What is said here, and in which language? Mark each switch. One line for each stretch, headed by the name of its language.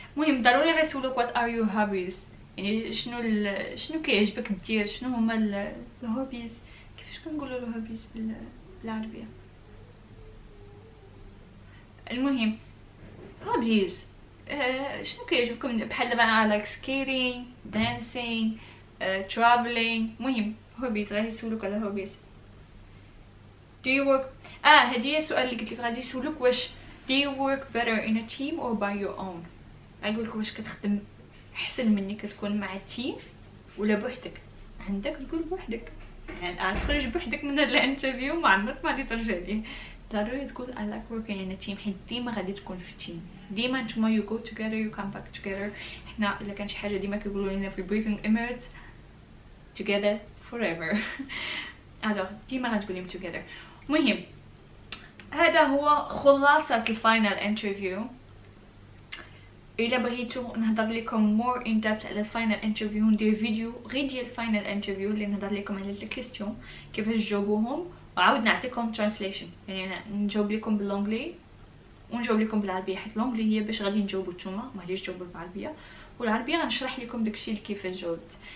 Arabic: المهم ضروري غير سولوك
English: what are your hobbies,
Arabic: يعني شنو كيعجبك دير, شنو هما الهوبيز, كيفاش كنقولوا الهوبيز بالعربية. المهم هوبيز شنو كيعجبكم, بحال دابا انا
English: Like skating, dancing, travelling.
Arabic: المهم هوبيز, غادي نسولك على هوبيز.
English: Do you work
Arabic: هادي هي السؤال اللي قلت لك غادي نسولك, واش
English: do you work better in a team or by your own.
Arabic: غنقول لك واش كتخدم احسن مني كتكون مع التيم ولا بوحدك. عندك تقول بوحدك, يعني تخرج بوحدك من هاد الانترفيو ما عمرك ما غادي ترجع ليه. ضروري تقول
English: I like working in a team,
Arabic: حيت ديما غادي تكون في تيم, ديما نتوما
English: you go together you come back together.
Arabic: حنا الا كان شي حاجه ديما كيقولوا لنا في البريفينغ,
English: emirates together forever.
Arabic: الوغ ديما غنقول لهم together. مهم هذا هو خلاصه الفاينل انترفيو. الا بغيتو نهضر لكم
English: more in depth
Arabic: على
English: الفاينل انترفيو
Arabic: ندير فيديو غير ديال الفاينل انترفيو اللي نهضر لكم على لي كيسيون كيفاش جاوبوهم, وعاود نعطيكم ترانسليشن, يعني نجاوب لكم باللونجلي ونجاوب لكم بالعربيه, حيت اللونجلي هي باش غادي نجاوبو نتوما ما غاديش تجاوبو بالعربيه, والعربيه غنشرح لكم داكشي كيفاش جاوبت.